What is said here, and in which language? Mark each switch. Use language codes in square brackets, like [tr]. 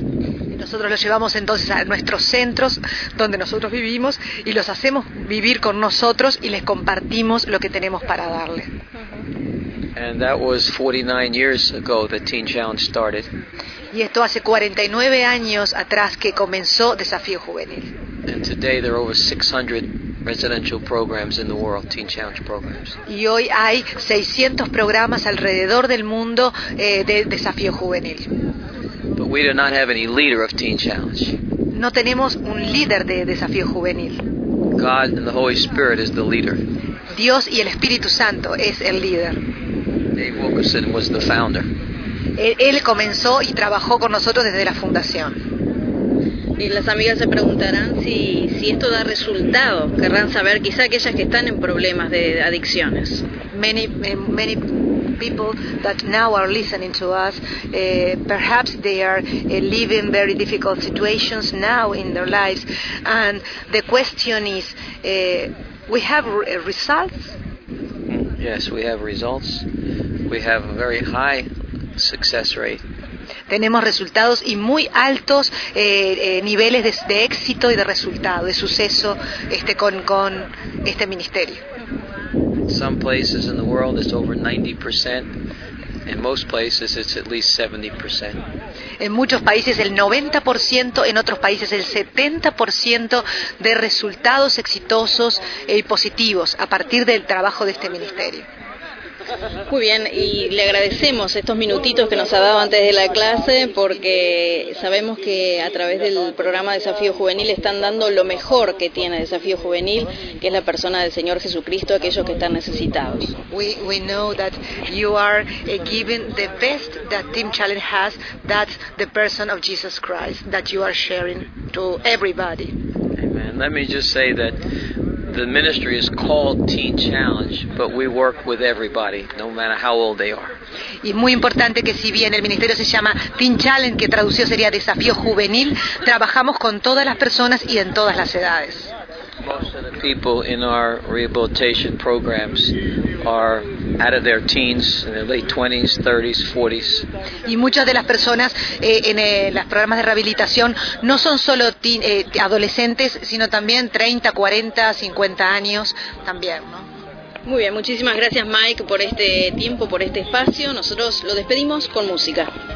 [es] Nosotros los llevamos entonces a nuestros centros donde nosotros vivimos y los hacemos vivir con nosotros y les compartimos lo que tenemos para darle. [en] And that was 49 years ago that Teen Challenge started. [es] Y esto hace 49 años atrás que comenzó Desafío Juvenil. [en] And today there are over 600 residential programs in the world, Teen Challenge programs. [es] Y hoy hay 600 programas alrededor del mundo de Desafío Juvenil. [en] But we do not have any leader of Teen Challenge. [es] No tenemos un líder de Desafío Juvenil. [en] God and the Holy Spirit is the leader. [es] Dios y el Espíritu Santo es el líder. [en] Dave Wilkerson was the founder. [es] Él comenzó y trabajó con nosotros desde la fundación. Y las amigas se preguntarán si esto da resultado. Querrán saber quizá aquellas que están en problemas de adicciones. [en] Many people that now are listening to us, perhaps they are living very difficult situations now in their lives, and the question is, we have results? Yes, we have results. We have a very high success rate. [es] Tenemos resultados y muy altos niveles de éxito y de resultado, de suceso con este ministerio. [en] Some places in the world it's over 90%, in most places it's at least 70%. [es] En muchos países el 90%, en otros países el 70% de resultados exitosos y positivos a partir del trabajo de este ministerio. Muy bien, y le agradecemos estos minutitos que nos ha dado antes de la clase, porque sabemos que a través del programa Desafío Juvenil están dando lo mejor que tiene Desafío Juvenil, que es la persona del Señor Jesucristo, aquellos que están necesitados. [en] We know that you are giving the best that Team Challenge has, that's the person of Jesus Christ that you are sharing to everybody. Amen. Let me just say that the ministry is called Teen Challenge, but we work with everybody, no matter how old they are. [es] Y muy importante que si bien el ministerio se llama Teen Challenge, que traducido sería Desafío Juvenil, trabajamos con todas las personas y en todas las edades. [en] Most of the people in our rehabilitation programs are out of their teens, in their late 20s, 30s, 40s. [es] Y muchas de las personas en los programas de rehabilitación no son solo adolescentes, sino también 30, 40, 50 años también, ¿no? Muy bien, muchísimas gracias Mike por este tiempo, por este espacio. Nosotros lo despedimos con música.